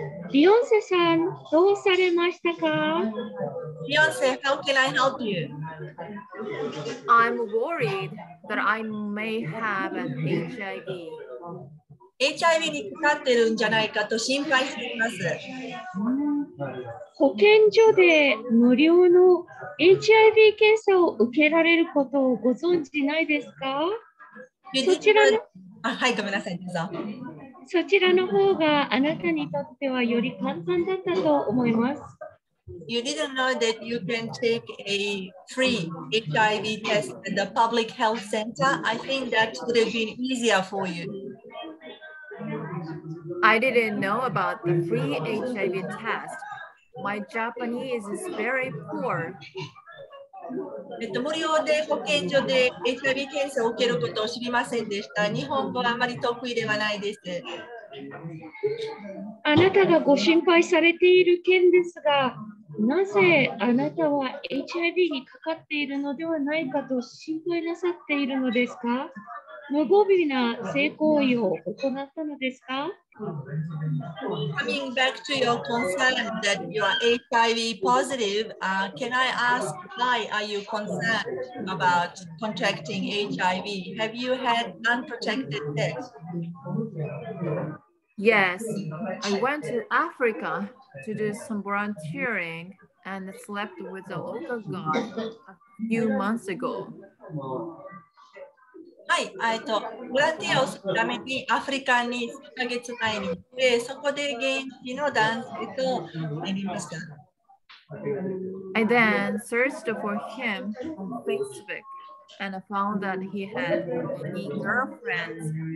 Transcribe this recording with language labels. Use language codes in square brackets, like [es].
[ja] ビヨンセさん、どうされましたか？ [en] ビヨンセ、how can I help you? I'm worried that I may have an HIV. [ja] HIV にかかってるんじゃないかと心配しています。保健所で無料の HIV 検査を受けられることをご存知ないですか？そちらの、あ、はい、ごめんなさい、どうぞ。そちらの方があなたにとってはより簡単だったと思います。 [en] You didn't know that you can take a free HIV test at the public health center. I think that would have been easier for you. I didn't know about the free HIV test. My Japanese is very poor. [ja] 無料で保健所で HIV 検査を受けることを知りませんでした。日本語はあまり得意ではないです。あなたがご心配されている件ですが、なぜあなたは HIV にかかっているのではないかと心配なさっているのですか？無防備な性行為を行ったのですか？ [en] Coming back to your concern that you are HIV positive,、can I ask why are you concerned about contracting HIV? Have you had unprotected sex? Yes, I went to Africa to do some volunteering and slept with the local guard a few months ago. [ja] はい、ボランティアをするためにアフリカに数ヶ月前に、そこで現地の男性と会いました。 [en] I then searched for him on Facebook and found that he had many girlfriends.